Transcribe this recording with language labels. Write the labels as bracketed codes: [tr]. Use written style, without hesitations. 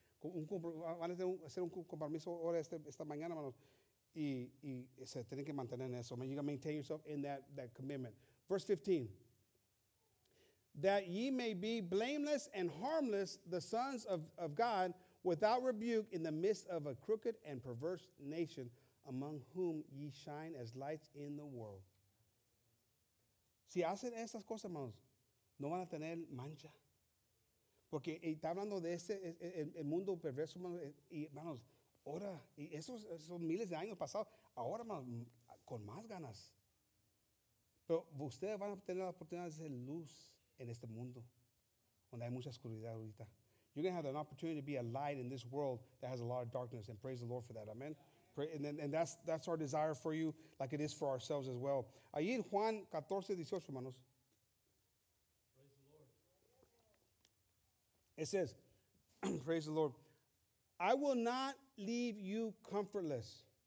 [es] Van a hacer un compromiso ahora esta mañana, hermanos. Y se tienen que mantener en eso. [en] You got to maintain yourself in that commitment. Verse 15. That ye may be blameless and harmless, the sons of God, without rebuke in the midst of a crooked and perverse nation, among whom ye shine as lights in the world. [es] Si hacen esas cosas, hermanos, no van a tener mancha. Porque está hablando de ese el mundo perverso, hermanos, y hermanos, ahora, y esos son miles de años pasados, ahora más, con más ganas. Pero ustedes van a tener la oportunidad de ser luz en este mundo, donde hay mucha oscuridad ahorita. [en] You're going to have an opportunity to be a light in this world that has a lot of darkness, and praise the Lord for that, amen? And that's our desire for you, like it is for ourselves as well. [es] Ahí en Juan 14:18, hermanos. [en] It says, praise the Lord, I will not leave you comfortless.